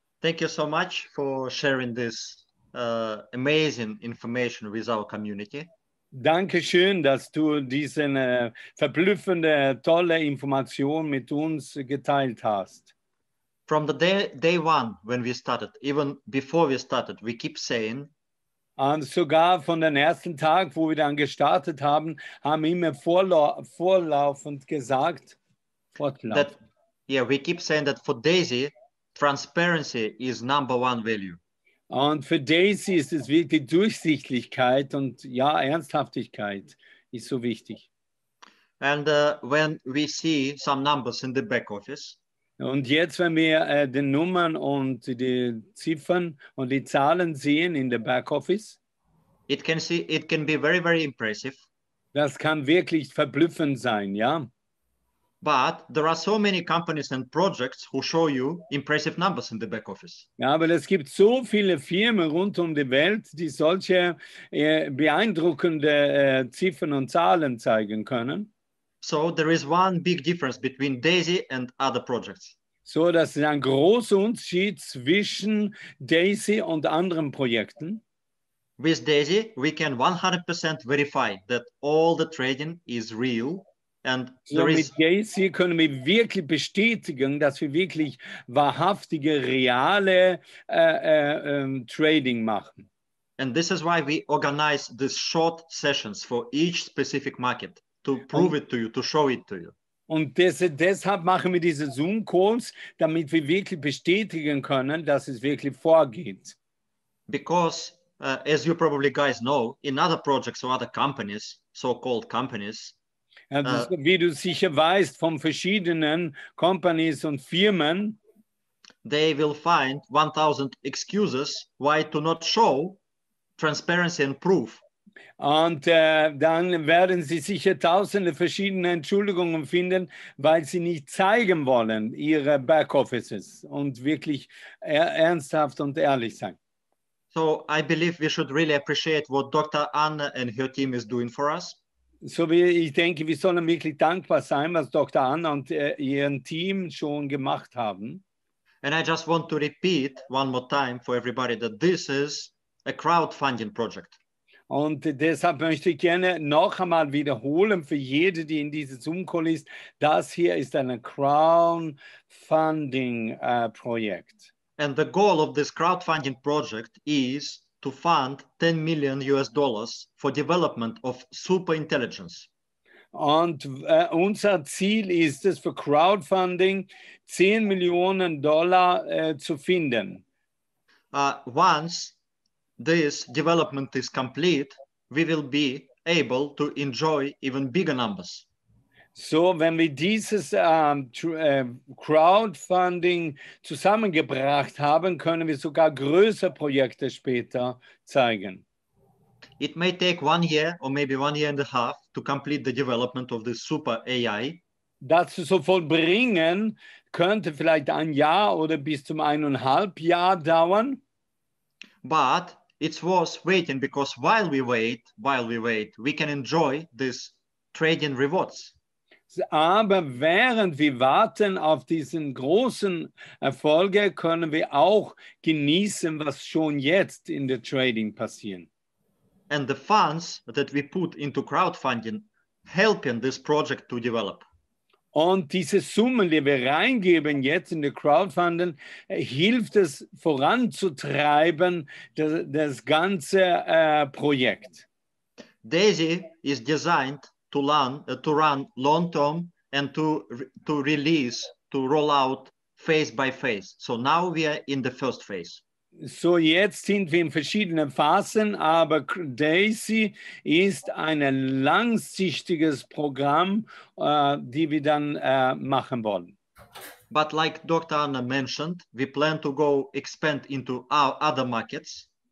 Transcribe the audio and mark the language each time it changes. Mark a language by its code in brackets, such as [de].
[en] Thank you so much for sharing this amazing information with our community. [de] Dankeschön, dass du diese verblüffende, tolle Information mit uns geteilt hast. [en] From the day one, when we started, even before we started, we keep saying. [de] Und sogar von dem ersten Tag, wo wir dann gestartet haben, haben wir immer vorlaufend gesagt, [en] that, yeah, we keep saying that for Daisy, transparency is number one value. [de] Und für Daisy ist es wirklich Durchsichtigkeit und ja, Ernsthaftigkeit ist so wichtig. [en] And when we see some numbers in the back office. [de] Und jetzt, wenn wir die Nummern und die Ziffern und die Zahlen sehen in der back office. [en] It can be very, very impressive. [de] Das kann wirklich verblüffend sein, ja. [en] But there are so many companies and projects who show you impressive numbers in the back office. [de] Ja, aber es gibt so viele Firmen rund um die Welt, die solche beeindruckende Ziffern und Zahlen zeigen können. [en] So there is one big difference between Daisy and other projects. [de] So, das ist ein großer Unterschied zwischen Daisy und anderen Projekten. [en] With Daisy, we can 100% verify that all the trading is real. And there [de] mit Daisy können wir wirklich bestätigen, dass wir wirklich wahrhaftige, reale Trading machen. [en] And this is why we organize these short sessions for each specific market to prove it to you, to show it to you. [de] Und deshalb machen wir diese Zoom-Calls, damit wir wirklich bestätigen können, dass es wirklich vorgeht. [en] Because, as you probably guys know, in other projects or other companies, so-called companies, [de] ja, das, wie du sicher weißt, von verschiedenen Companies und Firmen, [en] they will find 1,000 excuses why to not show transparency and proof [de] Und dann werden Sie sicher tausende verschiedene Entschuldigungen finden, weil Sie nicht zeigen wollen, Ihre Backoffices, und wirklich ernsthaft und ehrlich sein. [en] So I believe we should really appreciate what Dr. Anna and her team is doing for us. [de] So ich denke, wir sollen wirklich dankbar sein, was Dr. Anna und ihren Team schon gemacht haben. [en] And I just want to repeat one more time for everybody that this is a crowdfunding project. [de] Und deshalb möchte ich gerne noch einmal wiederholen für jede, die in diese Zoom-Call ist, das hier ist ein Crowdfunding-Projekt. [en] And the goal of this crowdfunding project is to fund $10 million for development of superintelligence. [de] Und unser Ziel ist es, für Crowdfunding $10 million zu finden. [en] Once this development is complete, we will be able to enjoy even bigger numbers. [de] So, wenn wir dieses Crowdfunding zusammengebracht haben, können wir sogar größere Projekte später zeigen. [en] It may take 1 year or maybe 1.5 years to complete the development of this super AI. [de] Das zu vollbringen könnte vielleicht 1 Jahr oder bis zum 1.5 Jahr dauern. [en] But it's worth waiting, because while we wait, we can enjoy this trading rewards. [de] Aber während wir warten auf diesen großen Erfolge, können wir auch genießen, was schon jetzt in der Trading passiert. [en] And the funds that we put into crowdfunding helping this project to develop. [de] Und diese Summen, die wir reingeben jetzt in die Crowdfunding, hilft es voranzutreiben, das ganze Projekt. [en] DAISY is designed to run long-term and to roll out phase by phase. So now we are in the first phase. [de] So jetzt sind wir in verschiedenen Phasen, aber DAISY ist ein langsichtiges Programm, die wir dann machen wollen. [en] But like Dr. Anna mentioned, we plan to go expand into our other markets.